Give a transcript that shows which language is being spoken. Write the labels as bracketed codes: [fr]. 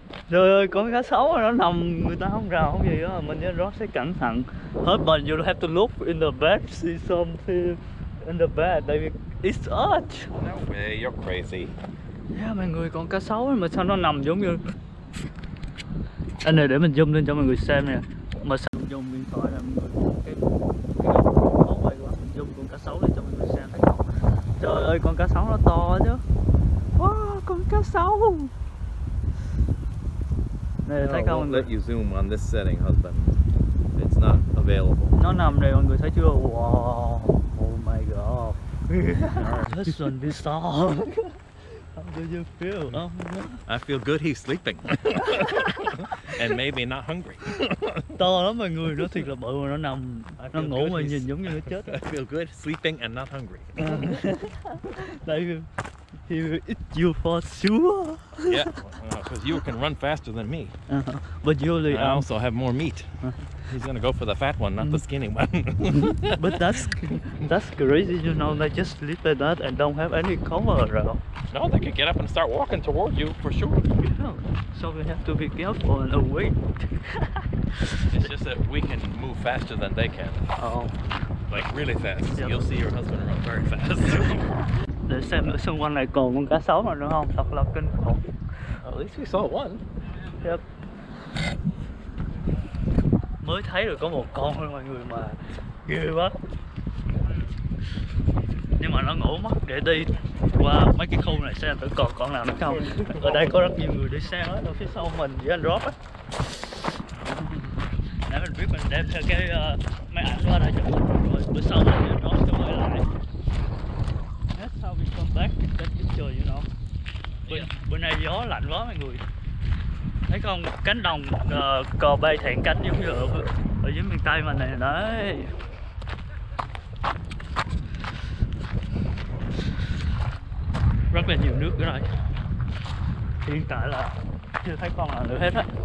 [vi] Trời ơi, con cá sấu nó nằm, người ta không rào không gì đó. Mình với Rob sẽ cẩn thận. [en] Hết bệnh, you have to look in the bed, see something in the bed. They will eat us. No way, you're crazy. [vi] Yeah, mọi người, con cá sấu mà sao nó nằm giống như... Anh này, để mình zoom lên cho mọi người xem nè. Mà sao mình zoom điện thoại nè, mọi người. Cái này, con cá sấu lên cho mọi người xem thấy không? Trời ơi, con cá sấu nó to chứ. Wow, con cá sấu. [en] I no, won't let you zoom on this setting, husband. It's not available. [vi] Nó nằm đây, mọi người thấy chưa? [en] Wow, oh my god. Listen, this song. Oh do you feel? I feel good he's sleeping. And maybe not hungry. [vi] To lắm mọi người, nó thiệt là bự mà nó nằm, nó ngủ mà nhìn giống như nó chết. [en] I feel good sleeping and not hungry. Like, he will eat you for sure. Yeah, because you can run faster than me. But usually, I also have more meat. He's gonna go for the fat one, not the skinny one. But that's crazy, you know, they just sleep like that and don't have any cover around. No, they could get up and start walking toward you for sure. Yeah. So we have to be careful and wait. It's just that we can move faster than they can. Oh. Like really fast. Yep. You'll see your husband run very fast. [vi] Để xem ở xung quanh này còn con cá sấu nào nữa không? Thật là kinh khủng. At least we saw one. Yep. Mới thấy được có một con thôi mọi người mà ghê quá. Nhưng mà nó ngủ mất, để đi qua mấy cái khu này xem thử còn con nào nữa không. Ở đây có rất nhiều người đi xem á, ở phía sau mình với anh Rob á. Để mình biết mình đem theo cái máy ảnh qua đây cho mình rồi. Bữa sau mình anh Rob sẽ quay lại. [en] That's how we come back, that's the trời, you know. [vi] Bữa nay gió lạnh quá mọi người. Thấy không, cánh đồng cò bay thẹn cánh giống như ở dưới miền Tây mình này đấy. Rất là nhiều nước ở đây. Hiện tại là chưa thấy con nào nữa hết á.